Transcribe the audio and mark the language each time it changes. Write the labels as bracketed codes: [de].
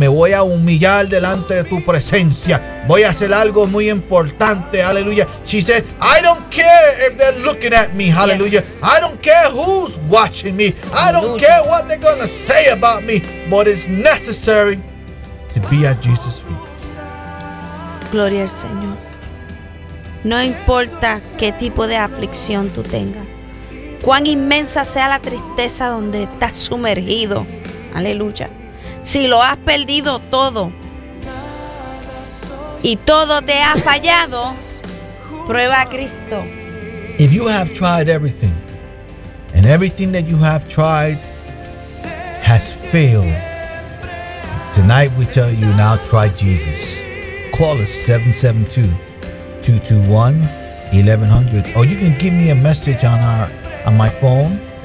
[es] Me voy a humillar delante de tu presencia. Voy a hacer algo muy importante. Hallelujah. [en] She said, I don't care if they're looking at me. Hallelujah. Yes. I don't care who's watching me. Hallelujah. I don't care what they're going to say about me. But it's necessary to be at Jesus' feet. [es] Gloria al Señor. No importa qué tipo de aflicción tú tengas. Cuán inmensa sea la tristeza donde estás sumergido. Aleluya. Si lo has perdido todo y todo te ha fallado, prueba a Cristo. [en] If you have tried everything and everything that you have tried has failed, tonight we tell you now try Jesus. Call us 772-221-1100 or you can give me a message on my phone.